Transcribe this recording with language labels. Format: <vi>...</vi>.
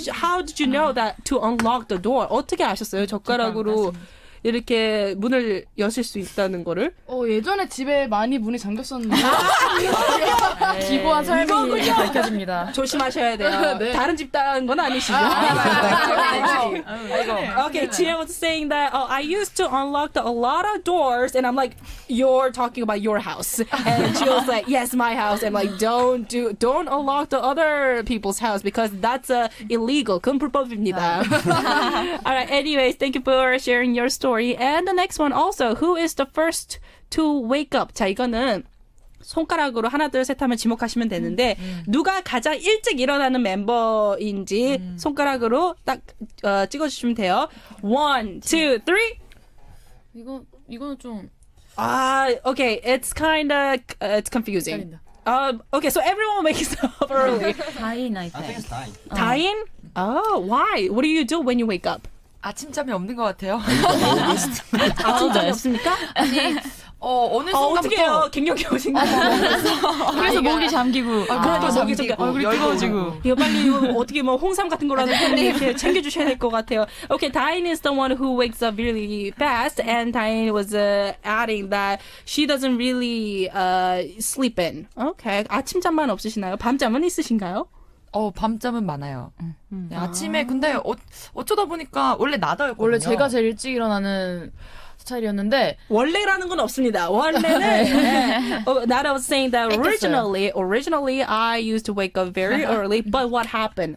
<en>How did you know that to unlock the door?</en> <ko>어떻게 아셨어요 젓가락으로? 이렇게 문을 여실 수 있다는 거를? 어, 예전에 집에 많이 문이 잠겼었는데. 기부한 삶이 밝혀집니다. 조심하셔야 돼요. 네. 다른 집 따는 건 아니시죠?</ko> <en>오케이, 지혜 was saying that I used to unlock a lot of doors and I'm like, you're talking about your house. And she was like, yes, my house. And like, don't unlock the other people's house because that's illegal.</en> <ko>그건 불법입니다.</ko> <en>Alright, anyways, thank you for sharing your story. And the next one also, who is the first to wake up?</en> <ko>자, 이거는 손가락으로 하나, 둘, 셋 하면 지목하시면 되는데 누가 가장 일찍 일어나는 멤버인지 손가락으로 딱 찍어주시면 돼요. 1, 2, 3. 이거는 좀...</ko> <en>okay, it's kind of confusing.</en> <ko>기다린다.</ko> <en>Okay, so everyone wakes up early. Dying, I think. I think it's dying. Dying? Oh, why? What do you do when you wake up?</en> <ko>아침잠이 없는 것 같아요. 아침잠이 없습니까? 어느 순간부터 갱년기 오신 거 그래서 아, 목이 잠기고 그래도 목이 잠기고 얼굴이 뜨거워지고 이거 빨리 어떻게 뭐 홍삼 같은 거라도 이렇게 챙겨주셔야 될 것 같아요.</ko> <en>Okay, Diane is the one who wakes up really fast, and Diane was adding that she doesn't really sleep in.</en> <ko>Okay, 아침잠만 없으시나요? 밤잠은 있으신가요? 밤잠은 많아요. 네, 아침에 근데 어쩌다 보니까 원래 나더였거든요. 원래 제가 제일 일찍 일어나는 스타일이었는데 원래라는 건 없습니다. 원래는 네.</ko> <en>나도 was saying that originally I used to wake up very early. But what happened?</en>